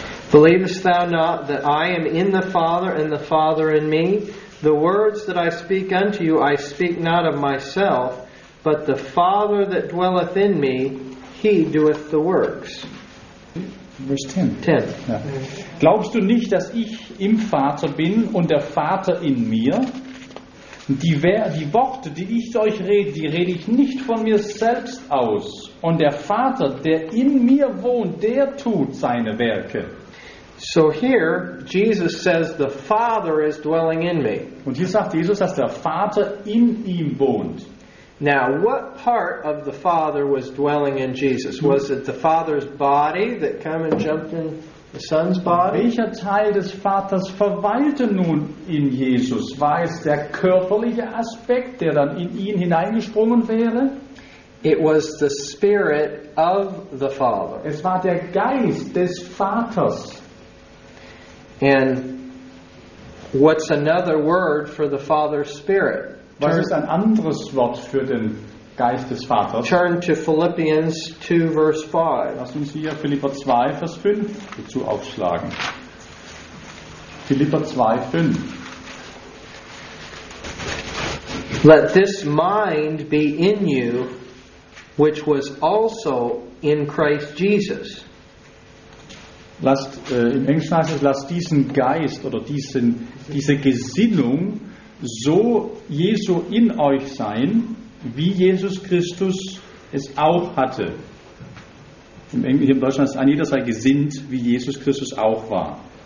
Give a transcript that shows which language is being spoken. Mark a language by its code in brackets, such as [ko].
[en] Believest thou not that I am in the Father and the Father in me? The words that I speak unto you, I speak not of myself, but the Father that dwelleth in me, he doeth the works. Verse 10. 10. [de] Ja. Glaubst du nicht, dass ich im Vater bin und der Vater in mir? Die Worte, die ich euch rede, die rede ich nicht von mir selbst aus. Und der Vater, der in mir wohnt, der tut seine Werke. [en] So here Jesus says the Father is dwelling in me. [de] Und hier sagt Jesus, dass der Vater in ihm wohnt. [en] Now, what part of the Father was dwelling in Jesus? Was it the Father's body that came and jumped in the Son's body? [de] Welcher Teil des Vaters verweilte nun in Jesus? War es der körperliche Aspekt, der dann in ihn hineingesprungen wäre? [en] It was the Spirit of the Father. [de] Es war der Geist des Vaters. [en] And what's another word for the Father's Spirit? [de] Was ist ein anderes Wort für den Geist des Vaters? [en] Turn to Philippians 2, verse 5. [de] Lass uns hier Philipper 2, Vers 5 dazu aufschlagen. Philipper 2, 5. [en] Let this mind be in you, which was also in Christ Jesus. [de] Lasst, im Englischen heißt es, lasst diesen Geist oder diese Gesinnung so Jesu in euch sein, wie Jesus Christus es auch hatte. Im Englischen, im Deutschen heißt es, an jeder sei gesinnt, wie Jesus Christus auch war.